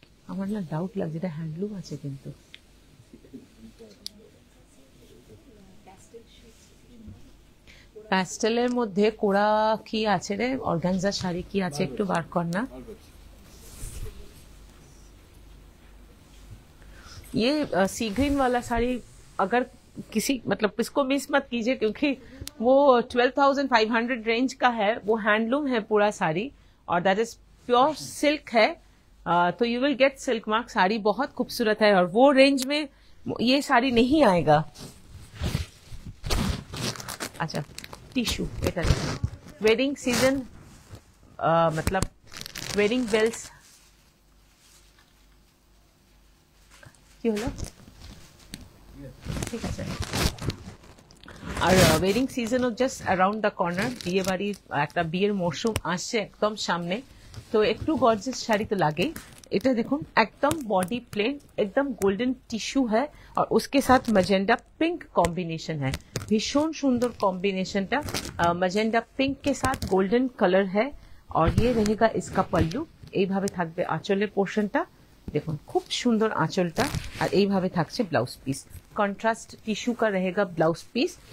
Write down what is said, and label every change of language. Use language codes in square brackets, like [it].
[bn] আমার না ডাউট লাগছে, এটা হ্যান্ডলুম আছে কিন্তু প্যাস্টেলের মধ্যে কোড়া কি আছে রে, অর্গানজার শাড়ি কি আছে একটু বার কর না। [hi] ये सी ग्रीन वाला साड़ी अगर किसी मतलब इसको मिस मत कीजिए, क्योंकि वो 12,500 रेंज का है, वो हैंडलूम है पूरा साड़ी, और दैट इज प्योर सिल्क है, तो [en] You will get silk mark. [hi] Sari बहुत खूबसूरत है, और वो रेंज में ये साड़ी नहीं आएगा। अच्छा टिश्यू, बेटा वेडिंग सीजन मतलब वेडिंग बेल्स [bn] কি হলো, ঠিক আছে। আর wedding season O just around the corner, বিয়ে বাড়ির একটা বিয়ের মরশুম আসছে একদম সামনে, তো একটু গর্জিয়াস শাড়ি তো লাগে। এটা দেখুন একদম বডি প্লেন, একদম গোল্ডেন টিস্যু হয়, আর উসকে সাথ মজেন্ডা পিঙ্ক কম্বিনেশন হয়, ভীষণ সুন্দর কম্বিনেশনটা, মজেন্ডা পিঙ্ক কে সাথ গোল্ডেন কালার হয়, [hi] আর ইয়ে রহেগা ইসকা পল্লু, [bn] এইভাবে থাকবে আঁচলের পোর্শনটা, দেখুন খুব সুন্দর আঁচলটা, আর এইভাবে থাকছে ব্লাউজ পিস, [hi] কন্ট্রাস্ট টিস্যু কা রহেগা ব্লাউজ পিস।